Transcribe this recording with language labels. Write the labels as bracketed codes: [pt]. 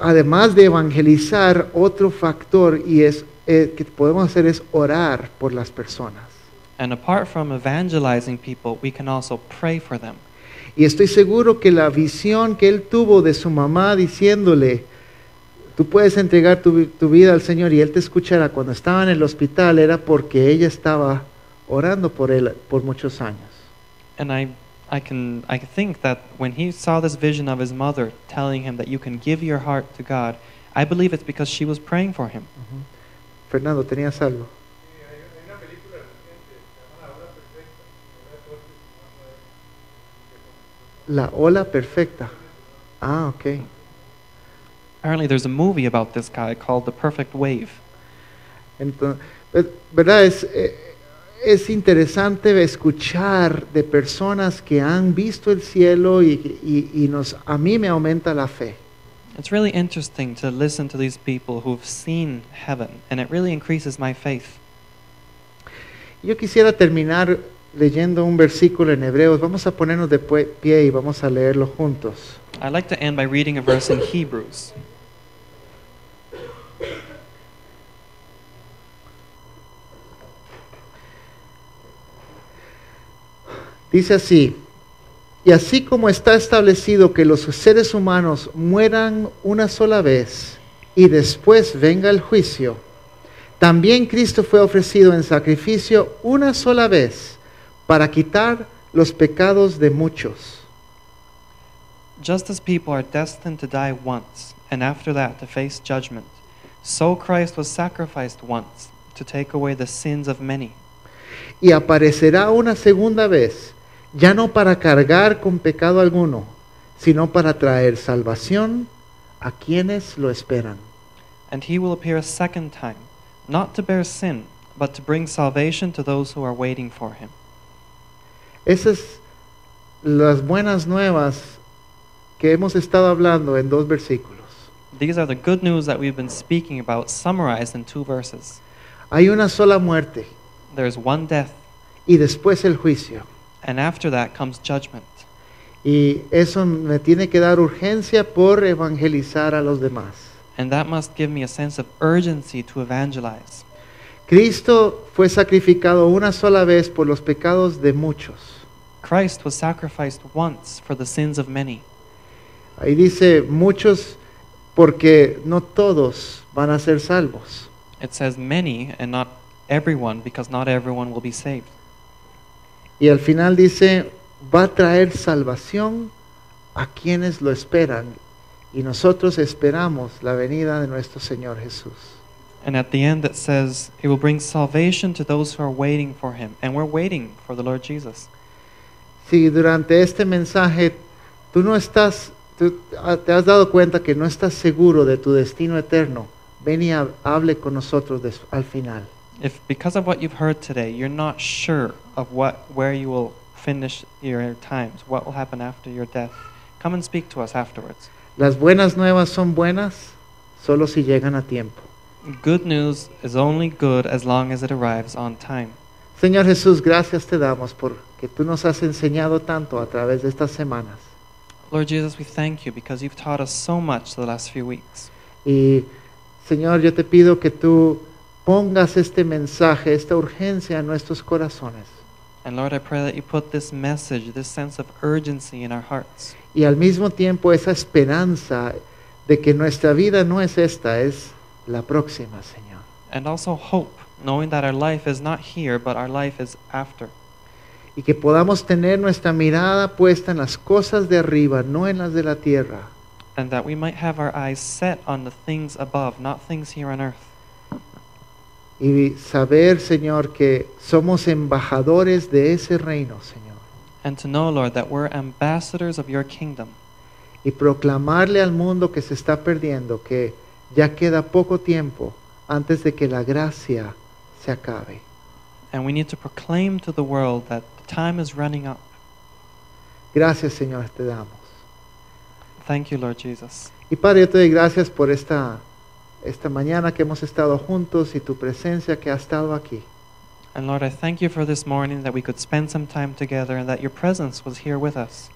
[es] Además de evangelizar, otro factor y es que podemos hacer es orar por las personas. [en] And apart from evangelizing people, we can also pray for them. [es] Y estoy seguro que la visión que él tuvo de su mamá diciéndole, tú puedes entregar tu vida al Señor y Él te escuchará. Cuando estaba en el hospital era porque ella estaba orando por Él por muchos años. [en] And I think that when he saw this vision of his mother telling him that you can give your heart to God, I believe it's because she was praying for him. [es] Mm-hmm. Fernando, ¿tenías algo? La Ola Perfecta. [en] Ah, okay. Apparently there's a movie about this guy called The Perfect Wave. [es] Entonces, ¿verdad? Es interesante escuchar de personas que han visto el cielo y a mí me aumenta la fe. [en] It's really interesting to listen to these people who've seen heaven, and it really increases my faith. [es] Yo quisiera terminar leyendo un versículo en Hebreos. Vamos a ponernos de pie y vamos a leerlo juntos. [en] I'd like to end by reading a verse in Hebrews. [es] Dice así, y así como está establecido que los seres humanos mueran una sola vez y después venga el juicio, también Cristo fue ofrecido en sacrificio una sola vez para quitar los pecados de muchos. [en] Just as people are destined to die once and after that to face judgment, so Christ was sacrificed once to take away the sins of many. [es] Y aparecerá una segunda vez, ya no para cargar con pecado alguno, sino para traer salvación a quienes lo esperan. [en] And he will appear a second time, not to bear sin, but to bring salvation to those who are waiting for him. [es] Esas las buenas nuevas que hemos estado hablando en dos versículos. [en] These are the good news that we've been speaking about, summarized in two verses. [es] Hay una sola muerte. [en] There is one death. [es] Y después el juicio. [en] And after that comes judgment. [es] Y eso me tiene que dar urgencia por evangelizar a los demás. [en] And that must give me a sense of urgency to evangelize. [es] Cristo fue sacrificado una sola vez por los pecados de muchos. [en] Christ was sacrificed once for the sins of many. [es] Ahí dice muchos porque no todos van a ser salvos. [en] It says many and not everyone because not everyone will be saved. [es] Y al final dice, va a traer salvación a quienes lo esperan. Y nosotros esperamos la venida de nuestro Señor Jesús. [en] And at the end it says, he will bring salvation to those who are waiting for him. And we're waiting for the Lord Jesus. [es] Si durante este mensaje, tú no estás, tú te has dado cuenta que no estás seguro de tu destino eterno, ven y hable con nosotros al final. [en] If because of what you've heard today, you're not sure of where you will finish your times, what will happen after your death, come and speak to us afterwards. [es] Las buenas nuevas son buenas solo si llegan a tiempo. [en] Good news is only good as long as it arrives on time. [es] Señor Jesús, gracias te damos porque tú nos has enseñado tanto a través de estas semanas. [en] Lord Jesus, we thank you because you've taught us so much the last few weeks. [es] Y Señor, yo te pido que tú pongas este mensaje, esta urgencia en nuestros corazones. [en] And Lord, I pray that you put this message, this sense of urgency in our hearts. [es] Y al mismo tiempo esa esperanza de que nuestra vida no es esta, es la próxima, Señor. [en] And also hope, knowing that our life is not here, but our life is after. [es] Y que podamos tener nuestra mirada puesta en las cosas de arriba, no en las de la tierra. [en] And that we might have our eyes set on the things above, not things here on earth. [es] Y saber, Señor, que somos embajadores de ese reino, Señor. [en] And to know, Lord, that we're ambassadors of your kingdom. [es] Y proclamarle al mundo que se está perdiendo, que ya queda poco tiempo antes de que la gracia se acabe. [en] And we need to proclaim to the world that the time is running up. [es] Gracias, Señor, te damos. [en] Thank you, Lord Jesus. [es] Y Padre, yo te doy gracias por esta mañana que hemos estado juntos y tu presencia que ha estado aquí. [en] And Lord, I thank you for this morning that we could spend some time together and that your presence was here with us.